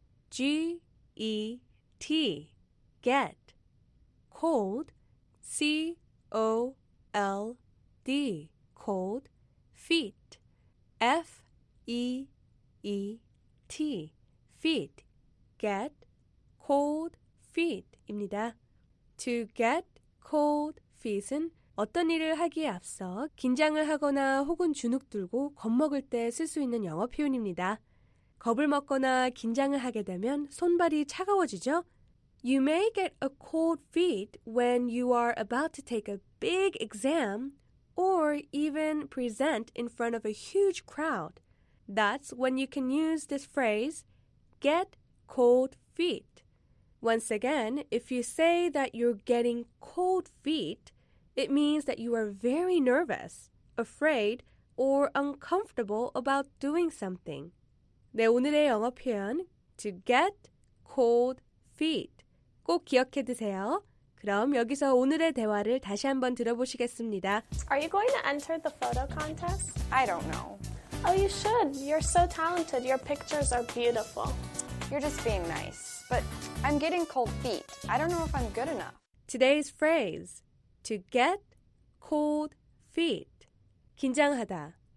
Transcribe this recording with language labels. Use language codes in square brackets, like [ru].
[en] G-E-T. Get cold, C-O-L-D, cold feet, F-E-E-T, feet, get cold feet [ko] 입니다. [en] To get cold feet [ko] 은 어떤 일을 하기에 앞서 긴장을 하거나 혹은 주눅들고 겁먹을 때 쓸 수 있는 영어 표현입니다. 겁을 먹거나 긴장을 하게 되면 손발이 차가워지죠? [en] You may get a cold feet when you are about to take a big exam or even present in front of a huge crowd. That's when you can use this phrase, get cold feet. Once again, if you say that you're getting cold feet, it means that you are very nervous, afraid, or uncomfortable about doing something. [ko] 네, 오늘의 영어 표현, [en] to get cold feet. [ko] 꼭 기억해 두세요. 그럼 여기서 오늘의 대화를 다시 한번 들어보시겠습니다. [en] Are you going to enter the photo contest? I don't know. Oh, you should. You're so talented. Your pictures are beautiful. You're just being nice. But I'm getting cold feet. I don't know if I'm good enough. Today's phrase, To get cold feet. [ko] 긴장하다.